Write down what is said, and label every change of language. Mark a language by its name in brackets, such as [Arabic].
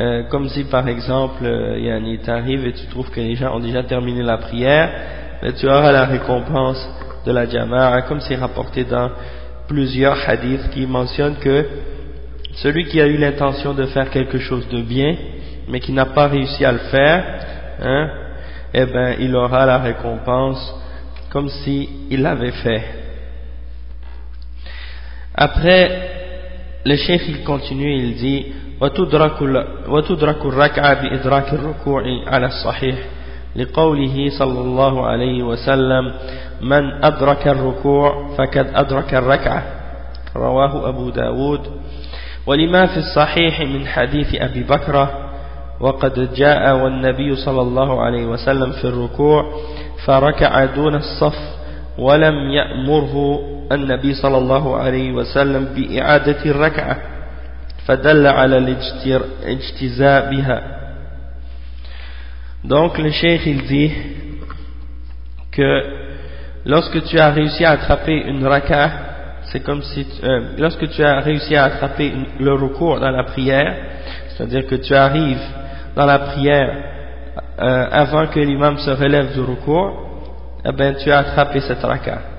[French] Comme si, par exemple, Yanni, tu arrives et tu trouves que les gens ont déjà terminé la prière, mais tu auras la récompense de la jama'a, comme c'est rapporté dans plusieurs hadiths qui mentionnent que celui qui a eu l'intention de faire quelque chose de bien, mais qui n'a pas réussi à le faire, hein, eh ben, il aura la récompense comme si il l'avait fait. Après, le cheikh il continue, il dit: [Arabic] wa tudraku ar-rak'a bi idrak ar-ruku'i 'ala as-sahih li qawlihi sallallahu alayhi wa sallam man adraka ar-ruku' fakad adraka ar-rak'a rawahu Abu Dawud ولما في الصحيح من حديث أبي بكر وقد جاء والنبي صلى الله عليه وسلم في الركوع فركع دون الصف ولم يأمره النبي صلى الله عليه وسلم بإعادة الركعة فدل على الاجتزاء بها. [French] Donc le cheikh il dit que lorsque tu as réussi à attraper une raka, c'est comme si lorsque tu as réussi à attraper le recours dans la prière, c'est-à-dire que tu arrives dans la prière avant que l'imam se relève du recours, eh bien tu as attrapé cette raka.